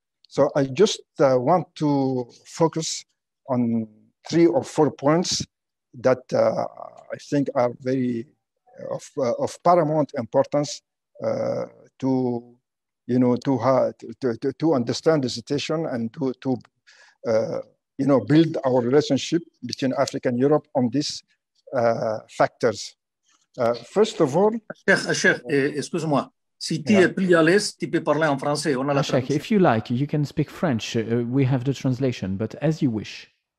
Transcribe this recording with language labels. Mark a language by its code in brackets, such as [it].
[en] So I just want to focus on three or four points that I think are very of paramount importance to understand the situation and to build our relationship between Africa and Europe on these factors. First of all, [fr] Acheikh, excuse-moi. Si tu es plus à l'aise, tu peux parler en français. On a la [en] Acheikh, if you like, you can speak French. We have the translation, but as you wish.